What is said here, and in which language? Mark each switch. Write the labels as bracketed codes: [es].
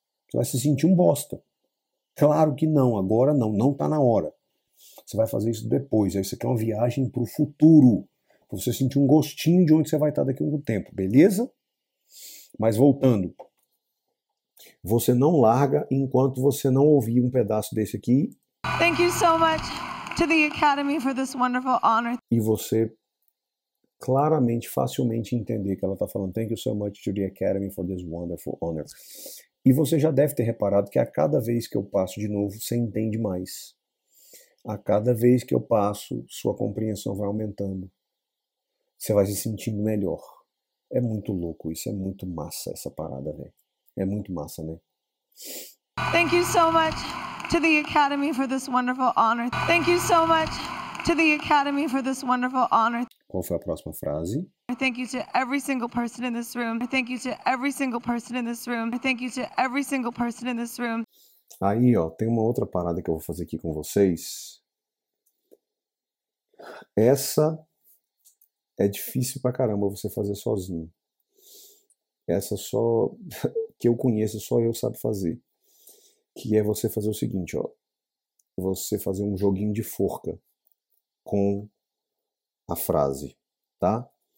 [pt] Você vai se sentir um bosta. Claro que não, agora não, não está na hora. Você vai fazer isso depois. Isso aqui é uma viagem para o futuro. Você sentir um gostinho de onde você vai estar daqui a algum tempo, beleza? Mas voltando, você não larga enquanto você não ouvir um pedaço desse aqui. [en] Thank you so much to the Academy for this wonderful honor. [pt] E você claramente, facilmente entender que ela está falando [en] Thank you so much to the Academy for this wonderful honor. [pt] E você já deve ter reparado que a cada vez que eu passo de novo, você entende mais. A cada vez que eu passo, sua compreensão vai aumentando. Você vai se sentindo melhor. É muito louco isso, é muito massa essa parada, velho. É muito massa, né? [en] Thank you so much to the Academy for this wonderful honor. Thank you so much to the Academy for this wonderful honor. [pt] Qual foi a próxima frase? [en] Thank you to every single person in this room. Thank you to every single person in this room. Thank you to every single person in this room. [pt] Aí, ó, tem uma outra parada que eu vou fazer aqui com vocês. Essa é difícil pra caramba você fazer sozinho. Essa só que eu conheço, só eu sabe fazer. Que é você fazer o seguinte, ó. Você fazer um joguinho de forca com a frase, tá?